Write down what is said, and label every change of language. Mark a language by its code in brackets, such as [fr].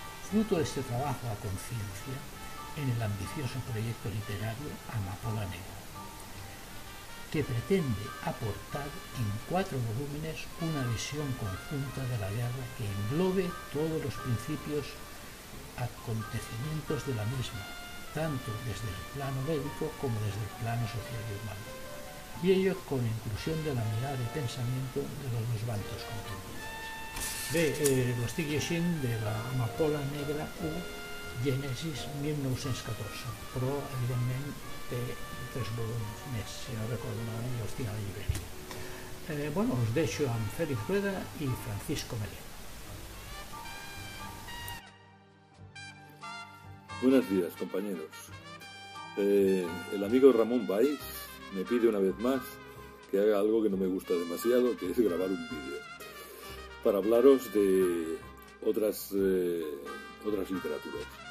[es] Fruto de este trabajo a conciencia en el ambicioso proyecto literario Amapola Negra, que pretende aportar en cuatro volúmenes una visión conjunta de la guerra que englobe todos los principios acontecimientos de la misma, tanto desde el plano bélico como desde el plano social y humano, y ello con inclusión de la mirada y pensamiento de los dos bandos contemporáneos. [ca] Bé, lo estic llegint de l'Amapola Negra 1, Gènesis 1914, però evidentment té tres volums més, si no recordo malament, jo estic a la llibreria. Bueno, us deixo amb Félix Rueda i Francisco Melero. [es] Buenos días, compañeros. El amigo Ramón Baix me pide una vez más que haga algo que no me gusta demasiado, que es grabar un vídeo, para hablaros de otras literaturas.